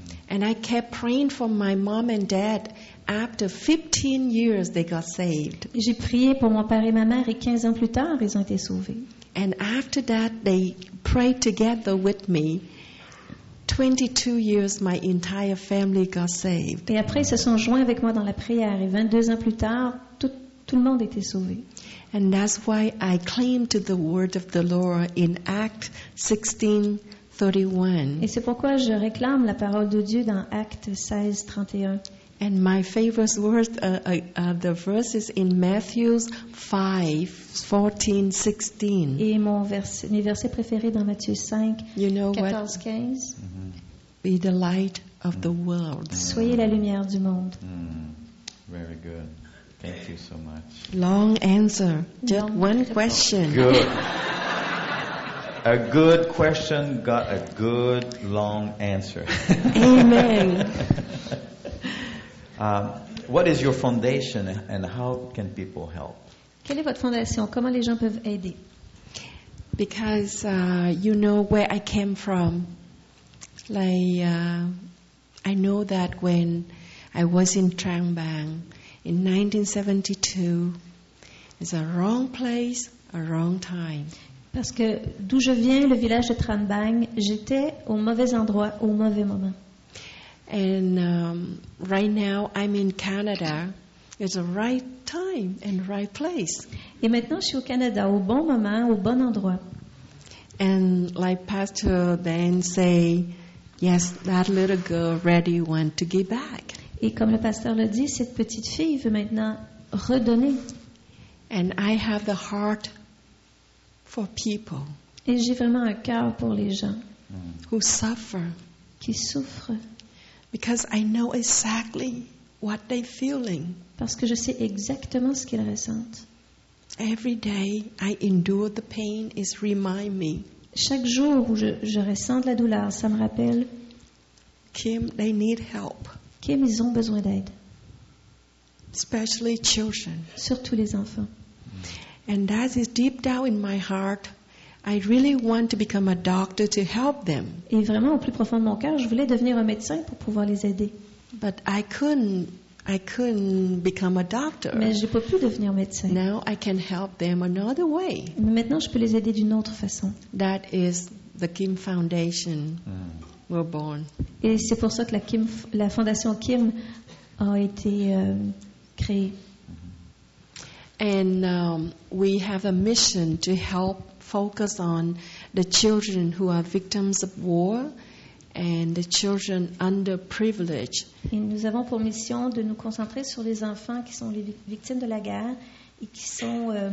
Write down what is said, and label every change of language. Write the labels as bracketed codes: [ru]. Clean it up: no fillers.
[en] And I kept praying for my mom and dad. After 15 years, they got saved. [fr] J'ai prié pour mon père et ma mère, et 15 ans plus tard, ils ont été sauvés. [en] And after that, they prayed together with me. 22 years, my entire family got saved. [fr] Et après, ils se sont joints avec moi dans la prière, et 22 ans plus tard, tout le monde était sauvé. [en] And that's why I cling to the word of the Lord in Acts 16:31. [fr] Et c'est pourquoi je réclame la parole de Dieu dans Actes 16:31. [en] And my favorite verse, the verses in Matthew 5:14-16. [fr] Et mes versets préférés dans Matthieu 5, 14-15. [en] Be the light of the world. [fr] Soyez la lumière du monde. [en] Very good. Thank you so much. Long answer. Just one question. Good. A good question got a good long answer. Amen. What is your foundation and how can people help? [fr] Quelle est votre fondation? Comment les gens peuvent aider? [en] Because you know where I came from. Like I know that when I was in Trang Bang in 1972, it's a wrong place, a wrong time. [fr] Parce que d'où je viens, le village de Trang Bang, j'étais au mauvais endroit au mauvais moment. [en] And right now I'm in Canada. It's the right time and right place. [fr] Et maintenant je suis au Canada, au bon moment, au bon endroit. [en] And like Pastor Ben say, yes, that little girl ready want to give back. [fr] Et comme le pasteur le dit, cette petite fille veut maintenant redonner. [en] And I have the heart for people. [fr] Et j'ai vraiment un cœur pour les gens. [en] Who suffer. [fr] Qui souffrent. [en] Because I know exactly what they're feeling. [fr] Parce que je sais exactement ce qu'ils ressentent. [en] Every day I endure the pain is remind me. [fr] Chaque jour où je ressens de la douleur, ça me rappelle. [en] Kim, they need help. [fr] Kim, ils ont besoin d'aide. [en] Especially children. [fr] Surtout les enfants. [en] And that is deep down in my heart. I really want to become a doctor to help them. [fr] Et vraiment, au plus profond de mon cœur, je voulais devenir un médecin pour pouvoir les aider. [en] But I couldn't become a doctor. [fr] Mais j'ai pas pu devenir médecin. [en] Now I can help them another way. [fr] Mais maintenant, je peux les aider d'une autre façon. [en] That is the Kim Foundation were born. [fr] Et c'est pour ça que la fondation Kim a été créée. [en] And we have a mission to help. Focus on the children who are victims of war and the children underprivileged. [fr] Et nous avons pour mission de nous concentrer sur les enfants qui sont les victimes de la guerre et qui sont